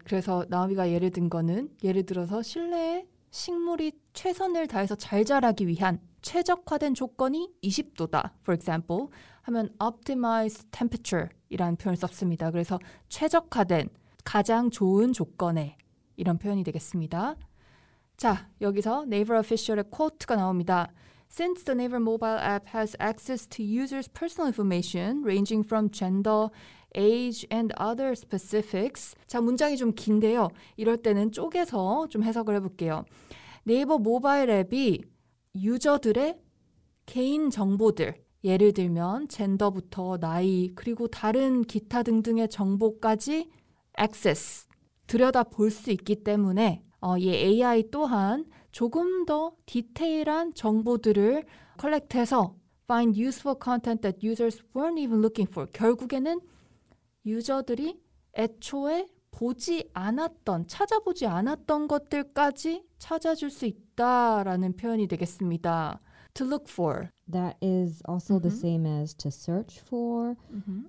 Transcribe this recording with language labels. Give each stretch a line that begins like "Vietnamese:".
Korean: 그래서 나오미가 예를 든 거는 예를 들어서 실내에 식물이 최선을 다해서 잘 자라기 위한 최적화된 조건이 20도다.
English: For example,
Korean: 하면
English: optimized temperature
Korean: 이라는 표현을 썼습니다. 그래서 최적화된 가장 좋은 조건에 이런 표현이 되겠습니다. 자, 여기서 네이버 오피셜의 코트가 나옵니다.
English: Since the Naver mobile app has access to users' personal information ranging from gender, age, and other specifics.
Korean: 자, 문장이 좀 긴데요. 이럴 때는 쪼개서 좀 해석을 해볼게요. 네이버 모바일 앱이 유저들의 개인 정보들, 예를 들면 젠더부터 나이, 그리고 다른 기타 등등의 정보까지 access, 들여다볼 수 있기 때문에 이 AI 또한 조금 더 디테일한 정보들을 컬렉트해서
English: find useful content that users weren't even looking for.
Korean: 결국에는 유저들이 애초에 보지 않았던, 찾아보지 않았던 것들까지 찾아줄 수 있다라는 표현이 되겠습니다.
English: To look for. That is also mm-hmm. the same as to search for mm-hmm.